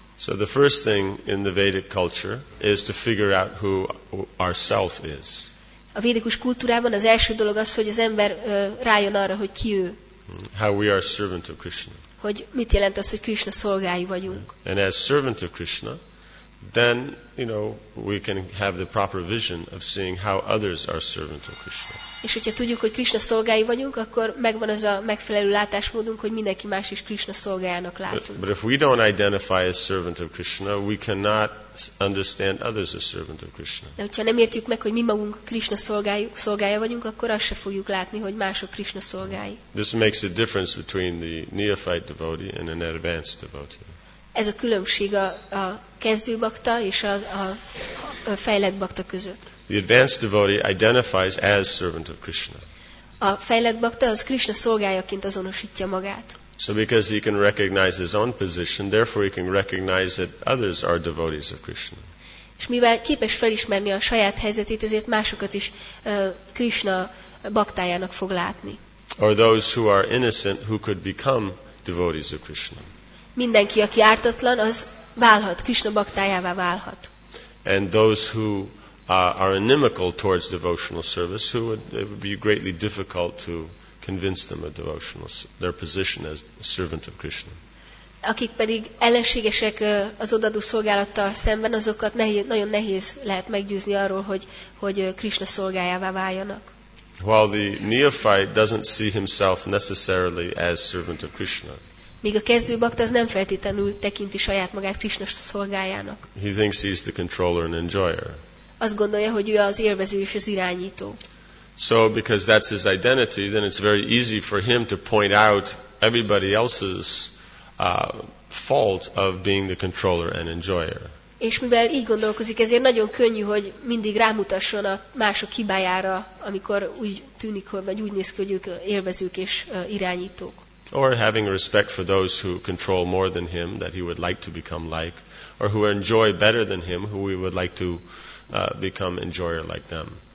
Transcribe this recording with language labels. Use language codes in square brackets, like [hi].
[en] So the first thing in the Vedic culture is to figure out who our self is. [hu] A védikus kultúrában az első dolog az, hogy az ember rájön arra, hogy ki ő. [en] How we are servant of Krishna. [hu] Hogy mit jelent az, hogy Krishna szolgái vagyunk. [en] Yeah. And as servant of Krishna, then you know we can have the proper vision of seeing how others are servant of Krishna. [hu] És hogyha tudjuk, hogy Krishna szolgái vagyunk, akkor megvan az a megfelelő látásmódunk, hogy mindenki más is Krishna szolgájának látunk. [en] But if we don't identify as servant of Krishna, we cannot understand others as servant of Krishna. [hu] De hogyha nem értjük meg, hogy mi magunk Krishna szolgája vagyunk, akkor azt se fogjuk látni, hogy mások Krishna szolgái. [en] This makes a difference between the neophyte devotee and an advanced devotee. [hu] Ez a különbség a kezdő bakta és a fejlett bakta között. [en] The advanced devotee identifies as servant of Krishna. [hu] A fejlett bakta az Krishna szolgájaként azonosítja magát. [en] So because he can recognize his own position, therefore he can recognize that others are devotees of Krishna. [hu] És mivel képes felismerni a saját helyzetét, ezért másokat is Krishna baktájának fog látni. [en] Or those who are innocent who could become devotees of Krishna. [hu] Mindenki, aki ártatlan, az válhat, Krishna baktájává válhat. [en] And those who are inimical towards devotional service, who would, it would be greatly difficult to convince them of devotional their position as a servant of Krishna. [hu] Akik pedig ellenségesek az odaadó szolgálattal szemben, azokat nagyon nehéz lehet meggyőzni arról, hogy Krishna szolgájává váljanak. [en] While the neophyte doesn't see himself necessarily as servant of Krishna. [hu] Míg a kezdő bakta az nem feltétlenül tekinti saját magát Krishna szolgájának. [en] He thinks he's the controller and enjoyer. [hu] Azt gondolja, hogy ő az élvező és az irányító. [en] So because that's his identity, then it's very easy for him to point out everybody else's fault of being the controller and enjoyer. [hu] És mivel így gondolkozik, ezért nagyon könnyű, hogy mindig rámutasson a mások hibájára, amikor úgy tűnik, vagy úgy néz ki, hogy ők élvezők és irányítók. [en] Or having respect for those who control more than him, that he would like to become like, or who enjoy better than him, who he would like to become enjoyer like them.